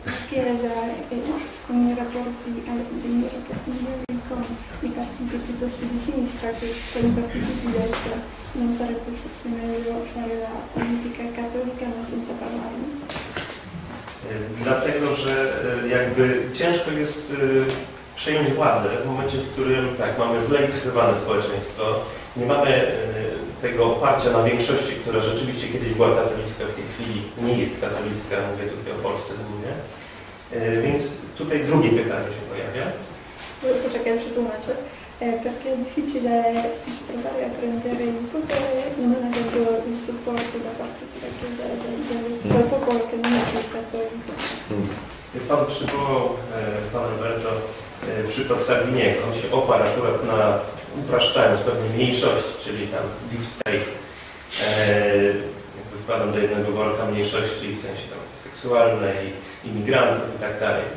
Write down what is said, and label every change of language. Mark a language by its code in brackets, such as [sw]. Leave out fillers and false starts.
[it] Chiesa, con i rapporti, dei rapporti migliori con i partiti piuttosto di sinistra che con i partiti di destra, non sarebbe forse meglio fare la politica cattolica ma senza parlare. [pl] Dlatego, że jakby ciężko jest przejąć władzę w momencie, w którym tak, mamy zlaicyzowane społeczeństwo, nie mamy tego oparcia na większości, która rzeczywiście kiedyś była katolicka, w tej chwili nie jest katolicka, mówię tutaj o Polsce głównie. Więc tutaj drugie pytanie się pojawia. Poczekaj, przetłumaczę. [it] Perché è difficile provare a prendere il potere non avendo il supporto da parte della Chiesa e del popolo che non è più cattolico. [pl] Pan przywołał, pan Roberto, przykład Sabiniego. On się oparł akurat na, upraszczając pewnie mniejszość, czyli tam deep state, jakby wpadam do jednego worka mniejszości, w sensie tam seksualnej, imigrantów i tak dalej.